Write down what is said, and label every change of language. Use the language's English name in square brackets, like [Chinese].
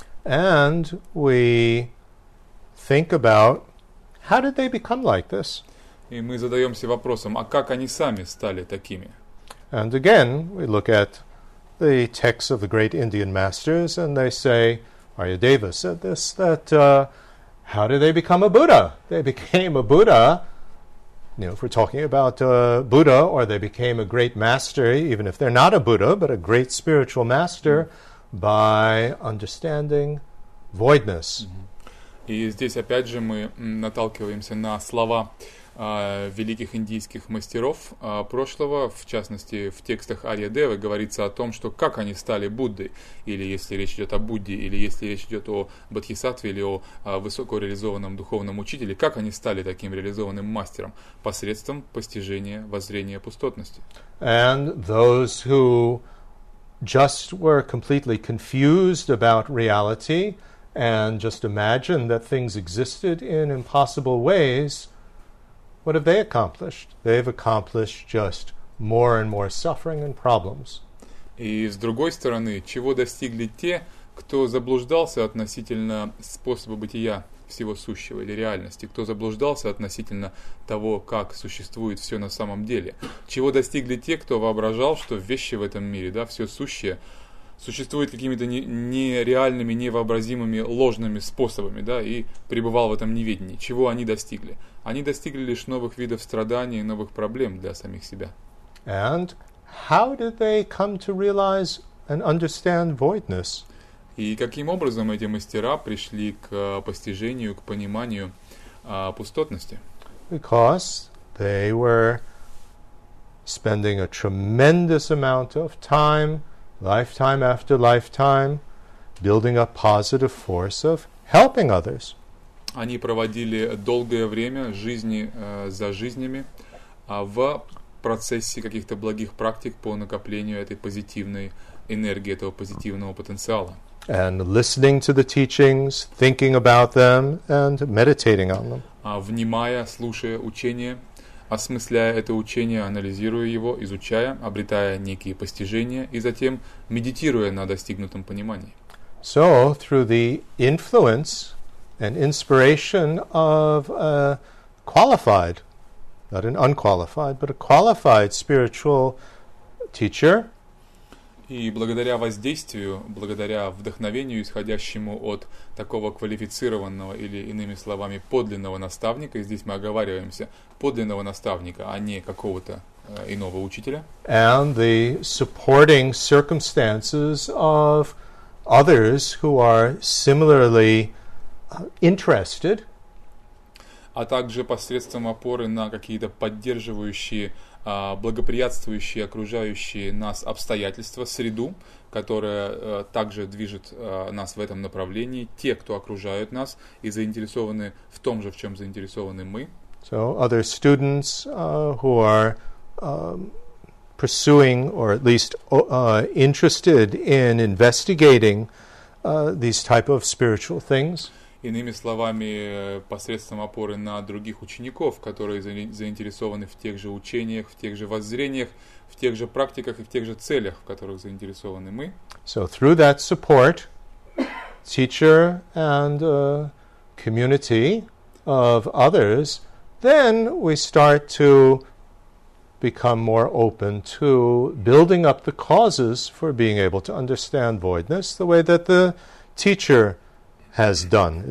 [English] And we think about, how did they become like this? [Russian] И мы задаемся вопросом, а как они сами стали такими? [English] And again, we look at the texts of the great Indian masters, and they say, Aryadeva said this, that how did they become a Buddha? They became a Buddha. You know, if we're talking about Buddha, or they became a great master, even if they're not a Buddha, but a great spiritual master, by understanding voidness. [Russian] И здесь опять же мы наталкиваемся на слова великих индийских мастеров прошлого, в частности, в текстах Арьядевы говорится о том, что как они стали Буддой, или если речь идет о Будде, или если речь идет о Бодхисаттве, или о высокореализованном духовном учителе, как они стали таким реализованным мастером посредством постижения воззрения пустотности. [English] And those who just were completely confused about reality and just imagined that things existed in impossible ways, what have they accomplished? They've accomplished just more and more suffering and problems. [Russian] И с другой стороны, чего достигли те, кто заблуждался относительно способа бытия всего сущего или реальности, кто заблуждался относительно того, как существует все на самом деле? Чего достигли те, кто воображал, что вещи в этом мире, да, все сущее, существует какими-то нереальными, невообразимыми, ложными способами, да, и пребывал в этом неведении. Чего они достигли? Они достигли лишь новых видов страданий и новых проблем для самих себя. [English] And how did they come to realize and understand voidness? [Russian] И каким образом эти мастера пришли к постижению, к пониманию пустотности? [English] Because they were spending a tremendous amount of time, lifetime after lifetime, building a positive force of helping others. [Russian] Они проводили долгое время жизни за жизнями в процессе каких-то благих практик по накоплению этой позитивной энергии, этого позитивного потенциала. [English] And listening to the teachings, thinking about them, and meditating on them. [Russian] Внимая, слушая учение, осмысляя это учение, анализируя его, изучая, обретая некие постижения и затем медитируя на достигнутом понимании. [English] So, through the influence and inspiration of a qualified, not an unqualified, but a qualified spiritual teacher. [Russian] И благодаря воздействию, благодаря вдохновению, исходящему от такого квалифицированного или, иными словами, подлинного наставника, здесь мы оговариваемся, подлинного наставника, а не какого-то иного учителя. [English] And the supporting circumstances of others who are similarly interested, [Russian] а также посредством опоры на какие-то поддерживающие, благоприятствующие окружающие нас обстоятельства, среду, которая также движет нас в этом направлении, те, кто окружают нас и заинтересованы в том же, в чем заинтересованы мы. [English] So other students who are pursuing or at least interested in investigating these type of spiritual things. [Russian] иными словами, посредством опоры на других учеников, которые заинтересованы в тех же учениях, в тех же воззрениях, в тех же практиках и в тех же целях, в которых заинтересованы мы. [English] So through that support, teacher and community of others, then we start to become more open to building up the causes for being able to understand voidness the way that the teacher has done.